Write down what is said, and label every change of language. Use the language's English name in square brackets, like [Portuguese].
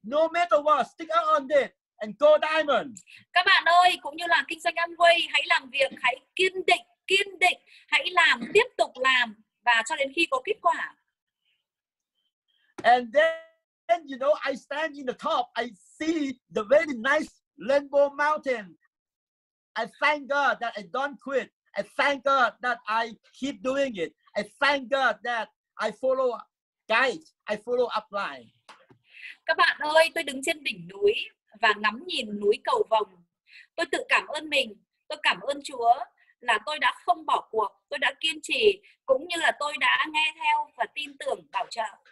[English] No matter what, stick out on it and go diamond. [Vietnamese] Các bạn ơi, cũng như là kinh doanh Amway, hãy làm việc, hãy kiên định, hãy làm, tiếp tục làm và cho đến khi có kết quả. [English] And then, you know, I stand in the top, I see the very nice Rainbow Mountain. I thank God that I don't quit. I thank God that I keep doing it. I thank God that I follow guide. I follow upline. [Vietnamese] Các bạn ơi, tôi đứng trên đỉnh núi và ngắm nhìn núi cầu vồng. Tôi tự cảm ơn mình. Tôi cảm ơn Chúa là tôi đã không bỏ cuộc. Tôi đã kiên trì, cũng như là tôi đã nghe theo và tin tưởng bảo trợ.